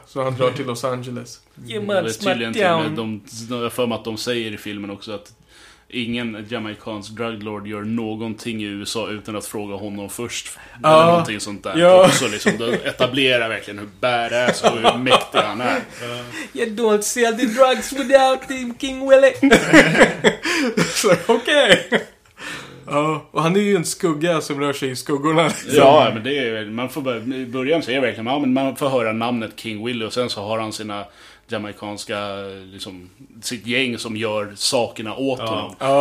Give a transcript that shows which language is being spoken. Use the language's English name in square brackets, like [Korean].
[Swedish] Så han drar till Los Angeles. Jemma, smackdown! Jag för mig att de säger i filmen också att ingen jamaikansk druglord gör någonting i USA utan att fråga honom först. Eller någonting sånt där. Så liksom, då etablerar verkligen hur badass och hur mäktig han är. [English] You don't sell the drugs without him, King Willy. [Swedish] Så, okej. Ja, och han är ju en skugga som rör sig i skuggorna. Ja, men det är, man får börja, i början så är det verkligen, men man får höra namnet King Willy och sen så har han sina jamaikanska, liksom, sitt gäng som gör sakerna åt honom.